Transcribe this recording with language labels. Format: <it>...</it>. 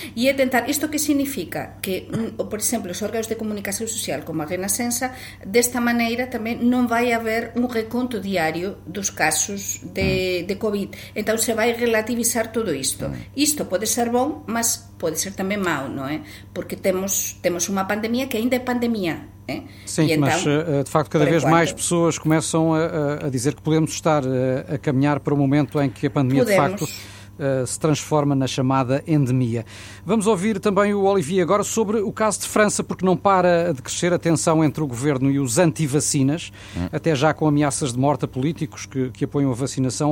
<gl>E é tentar, isto que significa? Que... por exemplo, os órganos de comunicação social como a Renascença, desta maneira tamén non vai haber un reconto diario dos casos de COVID, então se vai relativizar todo isto. Isto pode ser bom, mas pode ser tamén mau, non é? Porque temos unha pandemia que ainda é pandemia.</gl> <pt>Sim, então, mas de facto cada vez mais pessoas começam a dizer que podemos estar a caminhar para o momento em que a pandemia podemos. De facto se transforma na chamada endemia. Vamos ouvir também o Olivier agora sobre o caso de França, porque não para de crescer a tensão entre o governo e os antivacinas, até já com ameaças de morte a políticos que apoiam a vacinação.</pt>